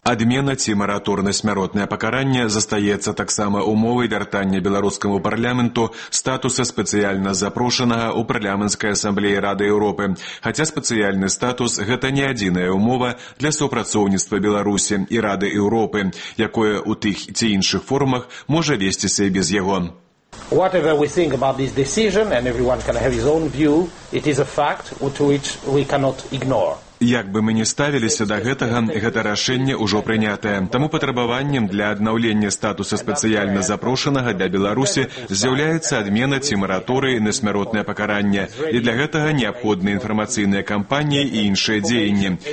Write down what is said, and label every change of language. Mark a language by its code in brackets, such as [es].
[be] Адмена ці мараторна смяротнае пакаранне застаецца таксама умовай вяртання беларускаму парламенту статуса спецыяльна запрошанага ў парламенцкай асамблеі Рады Еўропы. Хаця спецыяльны статус гэта не адзіная ўмова для супрацоўніцтва Беларусі і Рады Еўропы, якое ў тых ці іншых формах можа весціся без яго. [en] Whatever we think about this decision and everyone can have his own view, it is a fact which we cannot ignore. [be] Як бы мы ні ставіліся да гэтага, гэта рашэнне ўжо прынятае. Таму патрабаваннем для аднаўлення статуса спецыяльна запрошанага для Беларусі з'яўляецца адмена ці мараторыі на смяротнае пакаранне. І для гэтага неабходны інфармацыйныя кампаніі і іншыя дзеянні.